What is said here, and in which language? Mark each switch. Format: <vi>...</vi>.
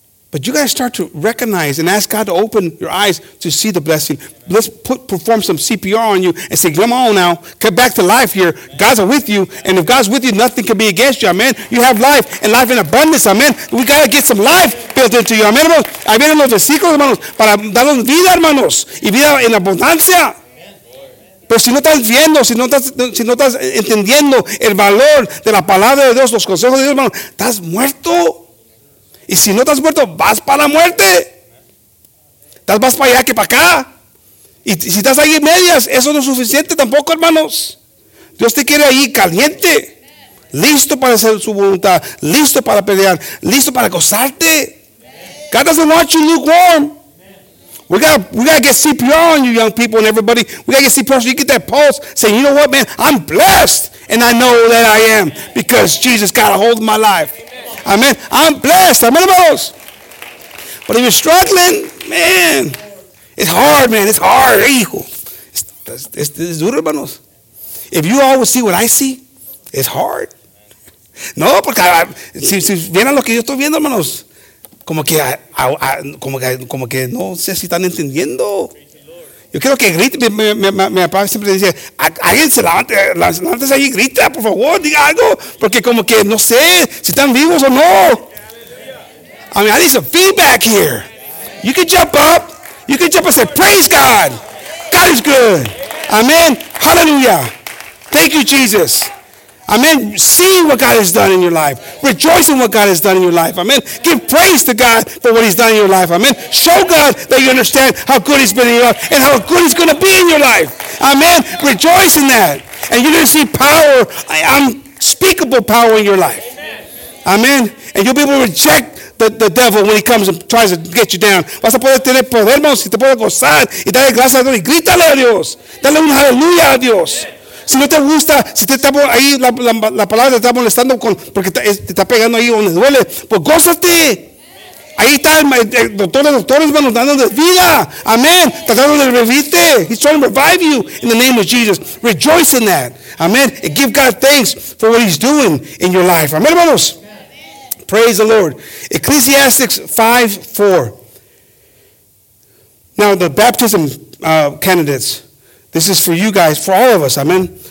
<en>But you got to start to recognize and ask God to open your eyes to see the blessing. Amen. Let's perform some CPR on you and say, come on now, come back to life here. Amen. God's with you. And if God's with you, nothing can be against you. Amen. You have life and life in abundance. Amen. We got to get some life built into you.</en> <es>Amen, hermanos. Amen, los versículos, hermanos, para darnos vida, hermanos, y vida en abundancia. Pero si no estás viendo, si no estás entendiendo el valor de la palabra de Dios, los consejos de Dios, hermano, estás muerto. Y si no estás muerto, vas para la muerte. Estás más para allá que para acá. Y si estás ahí en medias, eso no es suficiente tampoco, hermanos. Dios te quiere ahí caliente. Listo para hacer su voluntad. Listo para pelear. Listo para gozarte.</es> <en>God doesn't want you lukewarm. We gotta get CPR on you, young people and everybody. We gotta get CPR so you get that pulse. Say, you know what, man? I'm blessed. And I know that I am because Jesus got a hold of my life. Amen. I'm blessed. Amen, hermanos. But if you're struggling, man, it's hard, man. It's hard, hijo. It's</en> <es>duro, hermanos.</es> <en>If you always see what I see, it's hard.</en> <es>No, porque si vienen lo que yo estoy viendo, hermanos, como que no sé si están entendiendo. Yo quiero que grite. Mi papá siempre decía, alguien se levante, levántese ahí y grita, por favor, diga algo. Porque como que no sé si están vivos o no.</es> <en>I mean, I need some feedback here. You can jump up. You can jump and say, praise God. God is good. Amen. Hallelujah. Thank you, Jesus. Amen. See what God has done in your life. Rejoice in what God has done in your life. Amen. Give praise to God for what he's done in your life. Amen. Show God that you understand how good he's been in your life and how good he's going to be in your life. Amen. Rejoice in that. And you're going to see power, unspeakable power in your life. Amen. And you'll be able to reject the devil when he comes and tries to get you down.</en> <es>Vas a poder tener poder, hermano, si te puedes gozar y darle gracias a Dios y grítale a Dios. Dale un aleluya a Dios. Si no te gusta, si te está ahí la palabra te está molestando porque te está pegando ahí donde duele, pues gózate. Ahí está el doctor de doctores, hermanos, dándole vida. Amén. Tratando de revivirte.</es> <en>He's trying to revive you in the name of Jesus. Rejoice in that. Amén. And give God thanks for what he's doing in your life. Amén, hermanos. Praise the Lord. Ecclesiastes 5:4. Now, the baptism candidates, this is for you guys, for all of us. Amen.</en>